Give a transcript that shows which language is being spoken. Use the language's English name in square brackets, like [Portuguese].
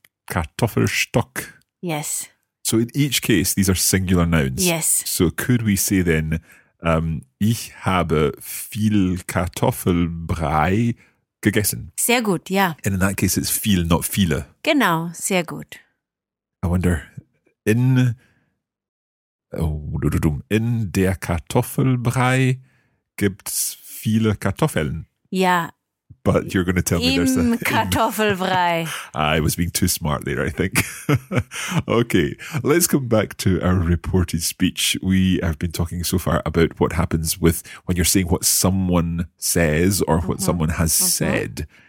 [German] Kartoffelstock. [English] Yes. So in each case, these are singular nouns. Yes. So could we say then, [German] ich habe viel Kartoffelbrei gegessen? Sehr gut, [English] yeah. And in that case, it's viel, not viele. [German] Genau, sehr gut. [English] I wonder, [German] in der Kartoffelbrei gibt's viele Kartoffeln. [English] Yeah. But you're going to tell me there's a... [German] Im Kartoffelbrei. [English] I was being too smart there, I think. Okay, let's come back to our reported speech. We have been talking so far about what happens with when you're saying what someone says or what someone has said.